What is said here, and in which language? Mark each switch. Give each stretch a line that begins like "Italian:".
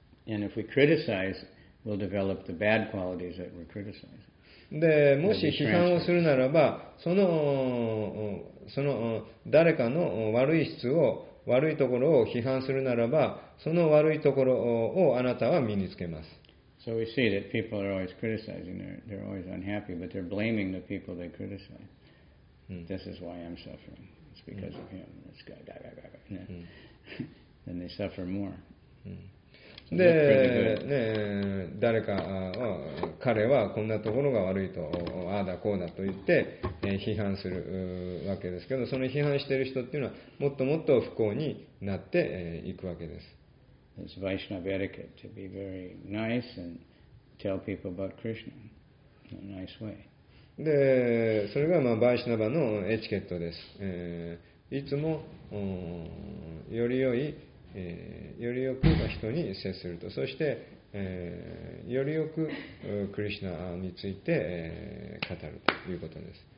English: And if we criticize, we'll develop the bad qualities that we're criticizing.
Japanese: でもし批判をするならばその誰かの悪い質を悪いところを批判するならばその悪いところをあなたは身につけます。
English: So we see that people are always criticizing, they're always unhappy, but they're blaming the people they criticize. This is why I'm suffering. It's because of him. This guy, da, da, da, da. Then they suffer more.
Japanese: で、ね、誰か、彼はこんなところが悪いと、ああだこうだと言って、批判するわけですけど、その批判している人っていうのは、もっともっと不幸になっていくわけです。
English: It's Vaishnava etiquette to be very nice and tell people about Krishna in a nice way.
Japanese: で、それが、まあ、Vaishnava のエチケットです。いつも、より良い、よりよく人に接すると、そして、よりよくクリシナについて、語るということです。